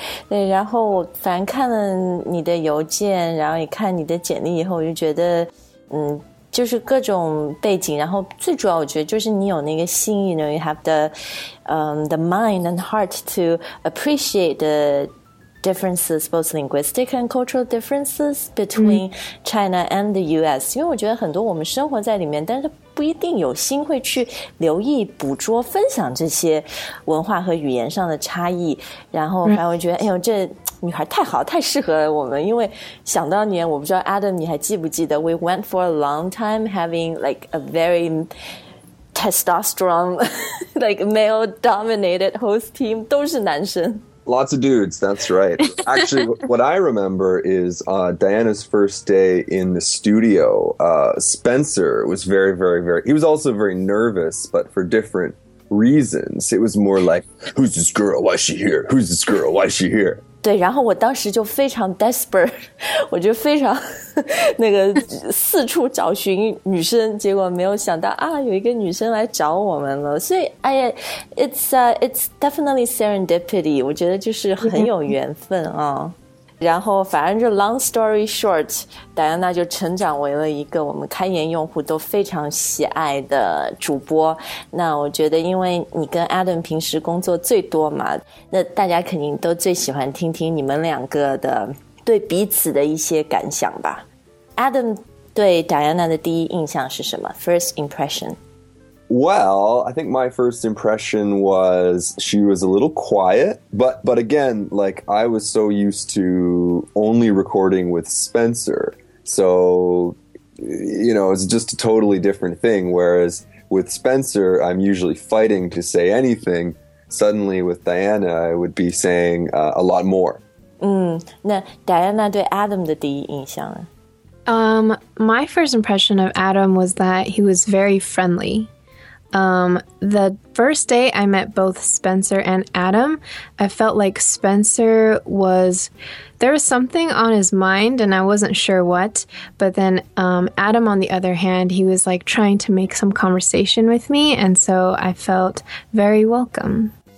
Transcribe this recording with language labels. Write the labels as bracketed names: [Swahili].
[Chinese] 对，然后我反正看了你的邮件，然后也看你的简历以后，我就觉得就是各种背景，然后最主要我觉得就是你有那个心， [English] you know, you have the, the mind and heart to appreciate the differences, both linguistic and cultural differences between China and the US. [Chinese] 因为我觉得很多我们生活在里面，但是不一定有心会去留意捕捉分享这些文化和语言上的差异，然后还会觉得哎呦这女孩太好太适合我们。因为想当年，我不知道 [English] Adam [Chinese] 你还记不记得， [English] We went for a long time having like a very testosterone like male dominated host team, [Chinese] 都是男生。 [English] Lots of dudes, that's right. Actually, what I remember is Diana's first day in the studio, Spencer was very, very, very, he was also very nervous, but for different reasons. It was more like, who's this girl? Why is she here? Who's this girl? Why is she here? [Chinese] 对，然后我当时就非常 desperate, 我就非常那个四处找寻女生，结果没有想到啊，有一个女生来找我们了。所以哎呀 [English] it's definitely serendipity, [Chinese] 我觉得就是很有缘分啊。然后反正就 [English] long story short, [Chinese] 戴安娜就成长为了一个我们开言用户都非常喜爱的主播。那我觉得因为你跟 Adam 平时工作最多嘛，那大家肯定都最喜欢听听你们两个的对彼此的一些感想吧。 Adam 对戴安娜的第一印象是什么？ [English] First impression? Well, I think my first impression was she was a little quiet, but again, like I was so used to only recording with Spencer. So, you know, it's just a totally different thing. Whereas with Spencer, I'm usually fighting to say anything. Suddenly with Diana, I would be saying a lot more. [Chinese] 那 Diana 对 Adam 的第一印象呢？ [English] My first impression of Adam was that he was very friendly. The first day I met both Spencer and Adam, I felt like Spencer was, there was something on his mind and I wasn't sure what, but then, Adam on the other hand, he was like trying to make some conversation with me, and so I felt very welcome.